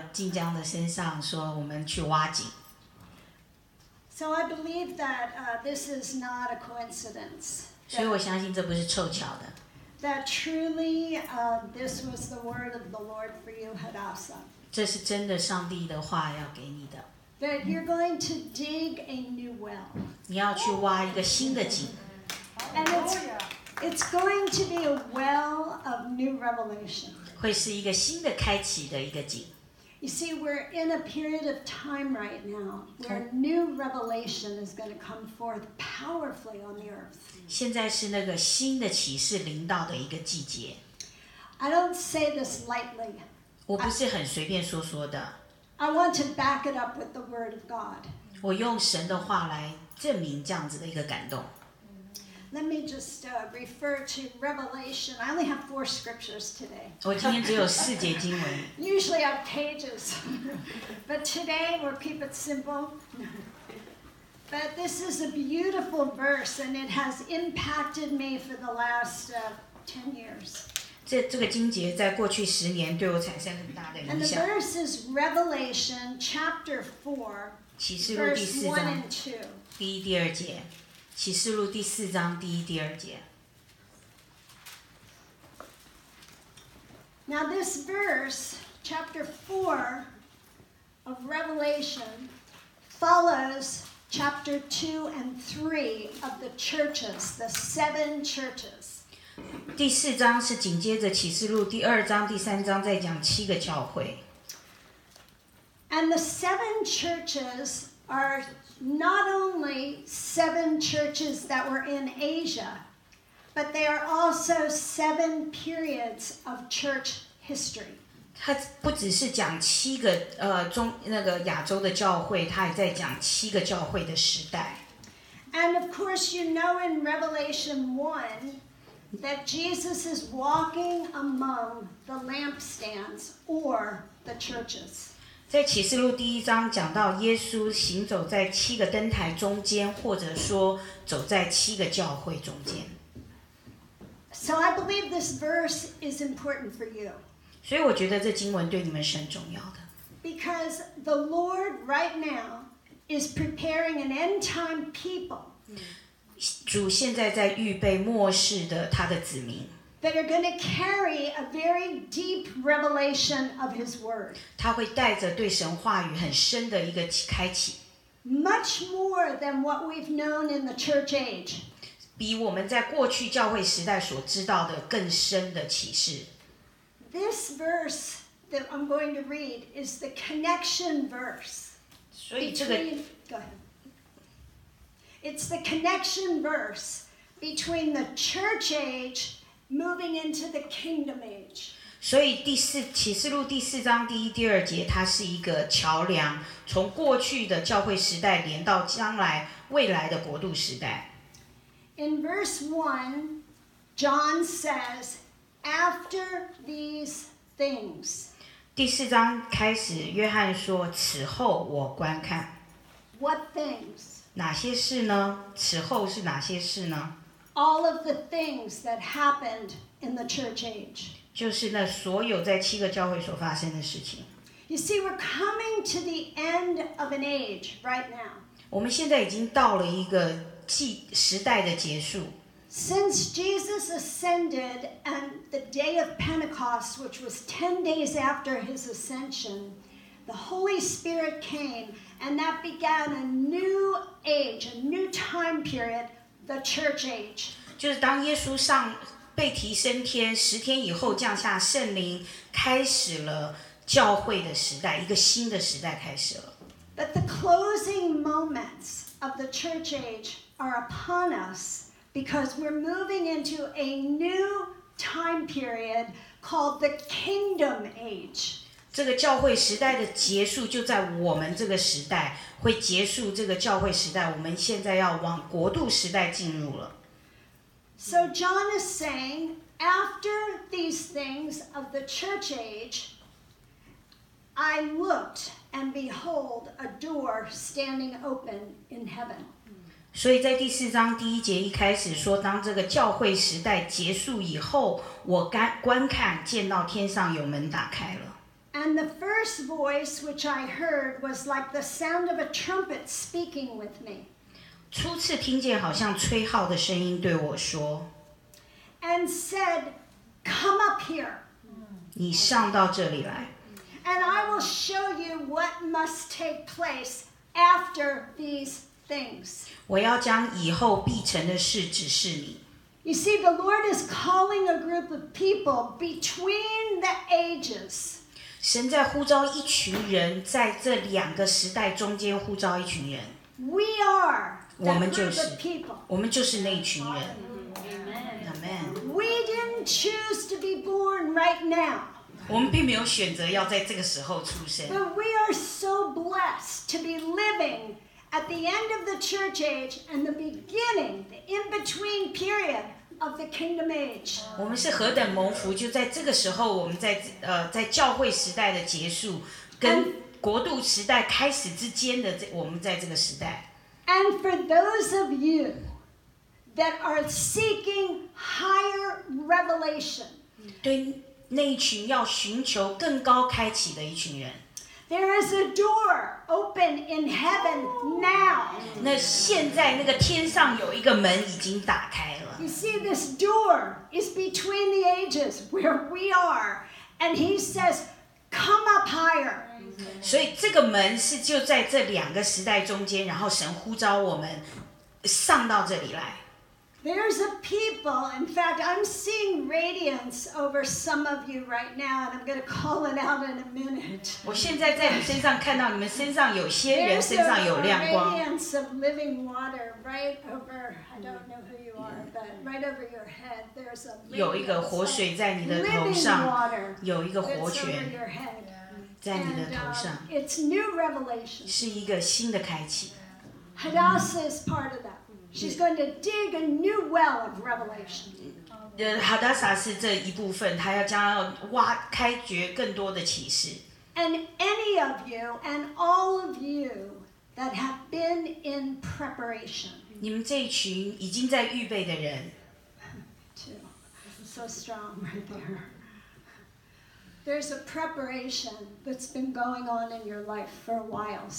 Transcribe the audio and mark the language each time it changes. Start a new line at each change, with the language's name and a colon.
Chinese: 权柄临到晋江的身上说我们去挖井。
English: So I believe that this is not a coincidence.
Chinese: 所以我相信这不是凑巧的。
English: That truly this was the word of the Lord for you, Hadassah.
Chinese: 这是真的上帝的话要给你的。
English: That you're going to dig a new well.
Chinese: 你要去挖一个新的井。
English: And it's going to be a well of new revelation.
Chinese: 会是一个新的开启的一个井。
English: You see, we're in a period of time right now where new revelation is going to come forth powerfully on the earth.
Chinese: 现在是那个新的启示临到的一个季节。
English: I don't say this lightly.
Chinese: 我不是很随便说说的。
English: I want to back it up with the word of God.
Chinese: 我用神的话来证明这样子的一个感动。
English: Let me just refer to Revelation. I only have four scriptures today.
Chinese: 我今天只有四节经文。
English: Usually I have pages, but today we'll keep it simple. But this is a beautiful verse, and it has impacted me for the last 10 years.
Chinese: 这个经节在过去十年对我产生很大的影响。
English: And the verse is Revelation chapter 4,
Chinese: 启示录第四章
English: verse 1 and 2.
Chinese: 第一、第二节。启示录第四章第一、第二节。
English: Now this verse, chapter 4 of Revelation, follows chapter 2 and 3 of the churches, the seven churches.
Chinese: 第四章是紧接着启示录第二章、第三章在讲七个教会。
English: And the seven churches are... Not only seven churches that were in Asia, but they are also seven periods of church history.
Chinese: 他不只是讲七个中那个亚洲的教会，他也在讲七个教会的时代。
English: And of course, you know in Revelation 1 that Jesus is walking among the lampstands or the churches.
Chinese: 在启示录第一章讲到耶稣行走在七个灯台中间，或者说走在七个教会中间。
English: So I believe this verse is important for you.
Chinese: 所以我觉得这经文对你们是很重要的。
English: Because the Lord right now is preparing an end time people.
Chinese: 主现在在预备末世的他的子民。
English: That are going to carry a very deep revelation of His Word.
Chinese: 他会带着对神话语很深的一个开启。
English: Much more than what we've known in the church age.
Chinese: 比我们在过去教会时代所知道的更深的启示。
English: This verse that I'm going to read is the connection verse.
Chinese: 所以这个
English: Go ahead. It's the connection verse between the church age. Moving into the kingdom age.
Chinese: 所以第四启示录第四章第一第二节，它是一个桥梁，从过去的教会时代连到将来未来的国度时代。
English: In verse 1, John says, "After these things."
Chinese: 第四章开始，约翰说：“此后我观看。
English: ”What things?
Chinese: 哪些事呢？此后是哪些事呢？
English: All of the things that happened in the church age.
Chinese: 就是那所有在七个教会所发生的事情。
English: You see, we're coming to the end of an age right now.
Chinese: 我们现在已经到了一个时代的结束。
English: Since Jesus ascended and the day of Pentecost, which was 10 days after his ascension, the Holy Spirit came and that began a new age, a new time period,The church age.
Chinese: 就是当耶稣上被提升天十天以后降下圣灵，开始了教会的时代，一个新的时代开始了。
English: But the closing moments of the church age are upon us because we're moving into a new time period called the kingdom age.
Chinese: 这个教会时代的结束就在我们这个时代。会结束这个教会时代，我们现在要往国度时代进入了。
English: So John is saying, after these things of the church age, I looked and behold a door standing open in heaven.
Chinese: 所以在第四章第一节一开始说，当这个教会时代结束以后，我观看见到天上有门打开了。
English: And the first voice which I heard was like the sound of a trumpet speaking with me.
Chinese: 初次听见好像吹号的声音对我说。
English: And said, come up here.
Chinese: 你上到这里来。
English: And I will show you what must take place after these things.
Chinese: 我要将以后必成的事指示你。
English: You see, the Lord is calling a group of people between the ages.
Chinese: 神在呼召一群人，在这两个时代中间呼召一群人。
English: We are the people.
Chinese: 我们就是
English: people.
Chinese: 我们就是那群人。
English: Amen. Amen. We didn't choose to be born right now.
Chinese: 我们并没有选择要在这个时候出生。
English: But we are so blessed to be living at the end of the church age and the beginning, the in-between period of the kingdom age.
Chinese: 我们是何等蒙福，就在这个时候，我们在在教会时代的结束跟国度时代开始之间的我们在这个时代。
English: And for those of you that are seeking higher revelation,
Chinese: 对那一群要寻求更高开启的一群人。
English: There is a door open in heaven now.
Chinese: 那现在那个天上有一个门已经打开了。
English: You see, this door is between the ages where we are, and he says, "Come up higher."
Chinese: 所以这个门是就在这两个时代中间，然后神呼召我们上到这里来。
English: There's a people, in fact, I'm seeing radiance over some of you right now, and I'm going to call it out in a minute.
Chinese: 我现在在你身上看到你们身上有些人身上有亮光。
English: There's a radiance of living water right over, I don't know who you are, but right over your head, there's a radiance.
Chinese: 有一个活水在你的头上。
English: Living water.
Chinese: 有一个活泉。
English: It's over your head.
Chinese: 在你的头上。
English: And, it's new revelation.
Chinese: 是一个新的开启。
English: Hadassah is part of that. She's going to dig a new well of revelation.
Chinese: Hadassah 是这一部分，她要将挖开掘更多的启示。
English: And any of you and all of you that have been in preparation.
Chinese: 你们这一群已经在预备的人。
English: So strong right there. There's a preparation that's been going on in your life for a while.